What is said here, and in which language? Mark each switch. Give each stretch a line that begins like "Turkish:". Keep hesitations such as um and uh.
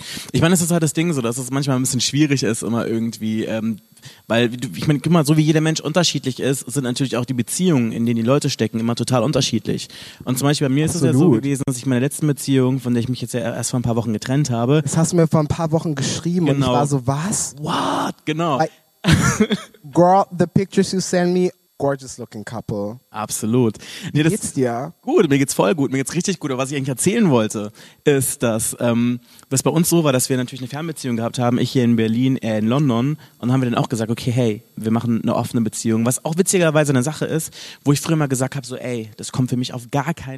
German: Ich meine, es ist halt das Ding so, dass es manchmal ein bisschen schwierig ist, immer irgendwie, ähm, weil, wie du- ich meine, guck mal, so wie jeder Mensch unterschiedlich ist, sind natürlich auch die Beziehungen, in denen die Leute stecken, immer total unterschiedlich. Und zum Beispiel bei mir ist es ja so Absolut. gewesen, dass ich meine letzten Beziehung, von der ich mich jetzt ja erst vor ein paar Wochen getrennt habe, Das hast du mir vor ein paar Wochen geschrieben und ich Genau. war so, was?
English: what?
German: Genau.
English: I- Girl, the pictures you send me, gorgeous looking couple.
German: Absolut. Nee, das Geht's dir? Gut, mir geht's voll gut, mir geht's richtig gut. Aber was ich eigentlich erzählen wollte, ist, dass ähm, das bei uns so war, dass wir natürlich eine Fernbeziehung gehabt haben. Ich hier in Berlin, er in London. Und dann haben wir dann auch gesagt, okay, hey, wir machen eine offene Beziehung. Was auch witzigerweise eine Sache ist, wo ich früher mal gesagt habe, so, ey, das kommt für mich auf gar keinen